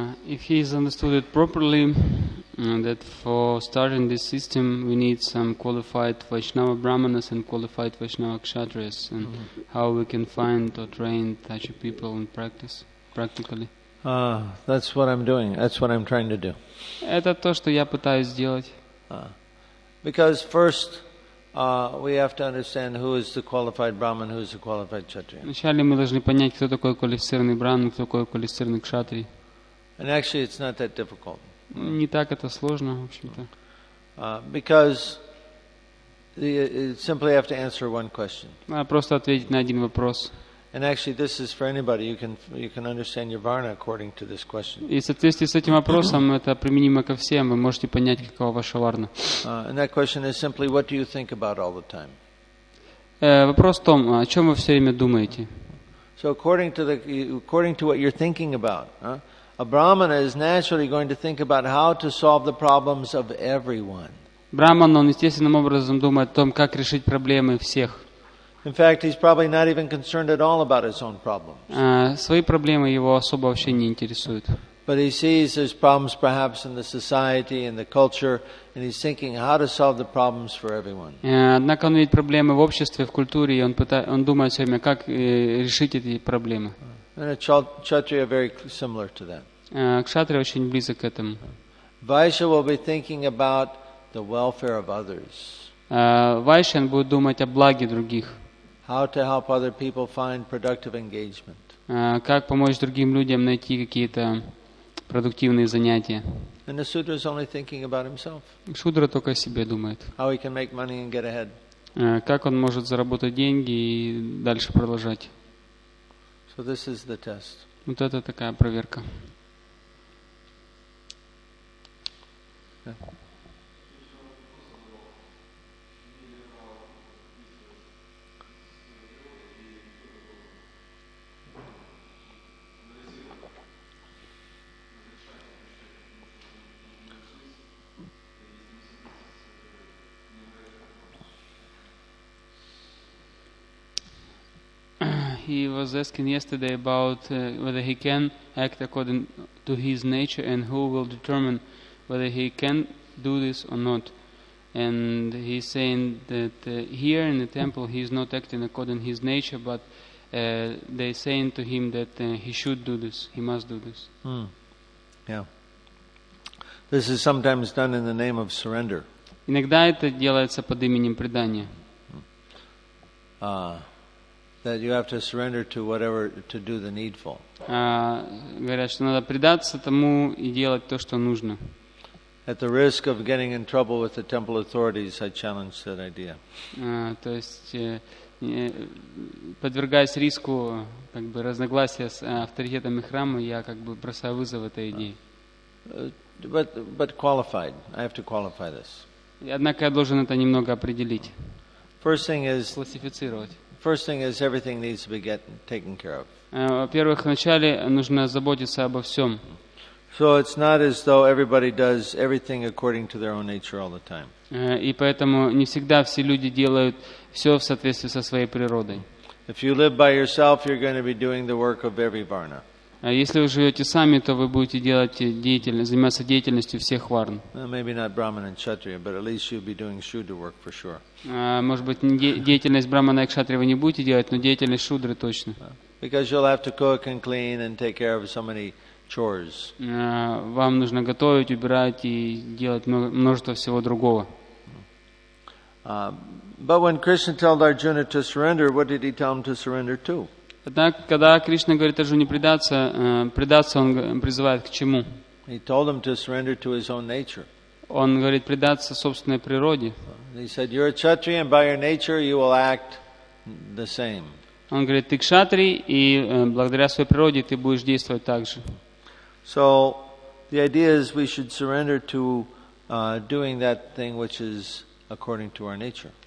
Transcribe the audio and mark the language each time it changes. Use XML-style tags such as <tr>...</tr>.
<en>If he is understood it properly, that for starting this system we need some qualified Vaishnava Brahmanas and qualified Vaishnava Kshatriyas, and how we can find or train such people in practice, practically. That's what I'm doing. That's what I'm trying to do.</en> <ru>Это то, что я пытаюсь сделать.</ru> <en>Because first we have to understand who is the qualified Brahman, who is the qualified Kshatriya.</en> <ru>Вначале мы должны понять, кто такой квалифицированный Брахман, кто такой квалифицированный Кшатрий.</ru> <en>And actually, it's not that difficult.</en> <ru>Не так это сложно, в общем-то.</ru> <en>Because simply have to answer one question.</en> <ru>Просто ответить на один вопрос.</ru> <en>And actually, this is for anybody. You can understand your varna according to this question.</en> <ru>И в соответствии с этим вопросом это применимо ко всем. Вы можете понять, какова ваша варна.</ru> <en>And that question is simply, what do you think about all the time?</en> <ru>Вопрос в том, о чем вы все время думаете?</ru> <en>So according to what you're thinking about. A Brahmana is naturally going to think about how to solve the problems of everyone.</en> <ru>Brahman, он естественным образом думает о том, как решить проблемы всех.</ru> <en>In fact, he's probably not even concerned at all about his own problems.</en> <ru>Свои проблемы его особо вообще не интересуют.</ru> <en>But he sees there's problems perhaps in the society, in the culture, and he's thinking how to solve the problems for everyone.</en> <ru>Однако он видит проблемы в обществе, в культуре, и он думает все время, как решить эти проблемы.</ru> <en>And a Kshatriya are very similar to that.</en> <ru>Кшатрия очень близок к этому.</ru> <en>Vaishya will be thinking about the welfare of others.</en> <ru>Вайшан будет думать о благе других.</ru> <en>How to help other people find productive engagement.</en> <ru>Как помочь другим людям найти какие-то продуктивные занятия.</ru> <en>And the Sudra is only thinking about himself.</en> <ru>Шудра только о себе думает.</ru> <en>How he can make money and get ahead.</en> <ru>Как он может заработать деньги и дальше продолжать.</ru> <en>So this is the test.</en> <ru>Вот это такая проверка.</ru> <en>He was asking yesterday about whether he can act according to his nature and who will determine whether he can do this or not. And he's saying that here in the temple he is not acting according to his nature, but they're saying to him that he should do this, he must do this. Mm. Yeah. This is sometimes done in the name of surrender.</en> <ru>Иногда это делается под именем предания.</ru> <en>That you have to surrender to whatever to do the needful.</en> <ru>Говорят, что надо предаться тому и делать то, что нужно.</ru> <en>At the risk of getting in trouble with the temple authorities, I challenge that idea.</en> <ru>То есть подвергаясь риску как бы разногласия с авторитетами храма, я как бы бросаю вызов этой идее.</ru> <en>But qualified. I have to qualify this.</en> <ru>Однако я должен это немного определить.</ru> <en>First thing is</en> <ru>классифицировать.</ru> <en>First thing is everything needs to be taken care of.</en> <ru>Во-первых, вначале нужно заботиться обо всем.</ru> <en>So it's not as though everybody does everything according to their own nature all the time.</en> <ru>И поэтому не всегда все люди делают все в соответствии со своей природой.</ru> <en>If you live by yourself, you're going to be doing the work of every varna.</en> <ru>Если вы живете сами, то вы будете заниматься деятельностью всех варн.</ru> <en>Maybe not Brahman and Kshatriya, but at least you'll be doing Shudra work for sure.</en> <ru>Может быть, деятельность Брамана и Кшатрия вы не будете делать, но деятельность Шудры точно.</ru> <en>Because you'll have to cook and clean and take care of so many chores.</en> <ru>Вам нужно готовить, убирать и делать множество всего другого.</ru> <en>But when Krishna told Arjuna to surrender, what did he tell him to surrender to?</en> <ru>Однако, когда Кришна говорит Арджуне предаться, предаться он призывает к чему?</ru> <en>He told him to surrender to his own nature.</en> <ru>Он говорит предаться собственной природе.</ru> <en>He said, "You're a kshatri, and by your nature you will act the same."</en> <ru>Он говорит, ты кшатри, и благодаря своей природе ты будешь действовать так же.</ru> <en>So the idea is we should surrender to doing that thing which is according to our nature.</en>